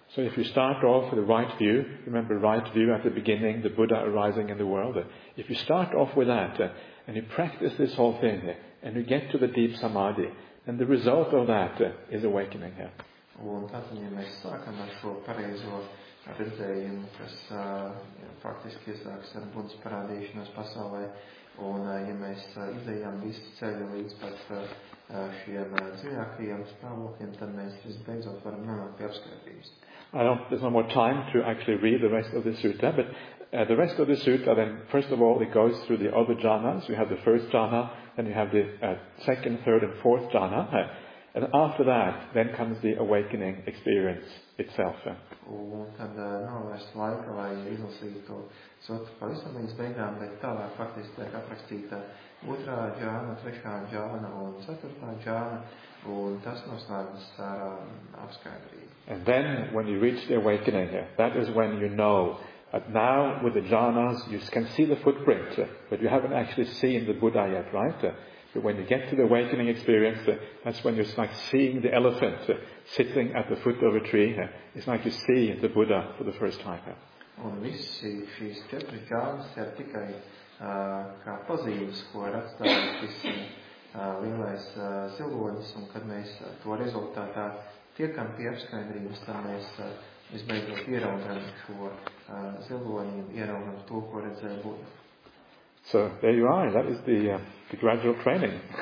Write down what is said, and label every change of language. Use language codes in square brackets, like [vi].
[en] So if you start off with the right view, remember right view at the beginning, the Buddha arising in the world. If you start off with that, and you practice this whole thing, and you get to the deep samadhi, then the result of that is awakening. [lv] Un tātad, ja mēs sākam ar šo pareizo redzējumu, kas faktiski iesāks ar Buddhas parādīšanos pasaulē, un ja mēs izejam visu ceļu līdz pat šiem dziļākajiem stāvokļiem, tad mēs visbeidzot varam nonākt pie apskaitījums. [en] I don't, there's no more time to actually read the rest of the sutta, but the rest of the sutta, then first of all, it goes through the other jhanas. You have the first jhana, then you have the second, third and fourth jhana. And after that, then comes the awakening experience itself. [lv] Un tad nav vairs laika, lai izlasītu sutru pavisam līdz beigām, bet tālāk faktiski tiek aprakstīta otrā jhana, trešā jhana un ceturtā jhana, un tas noslēdzas ar apskaidrību. [en] And then, when you reach the awakening, that is when you know that now, with the jhanas, you can see the footprint, but you haven't actually seen the Buddha yet, right? But when you get to the awakening experience, that's when you're like seeing the elephant sitting at the foot of a tree. It's like you see the Buddha for the first time. [lv] Un visi šīs četri jhanas ir tikai kā pazīmes, ko ir atstājis šis lielais zilonis, un kad mēs to rezultātā tiekam pie apskaidrības, tā mēs izbeidot ieraugam šo ziloni, ieraugam to, ko redzēja Buddha. [en] So, there you are, that is the gradual training.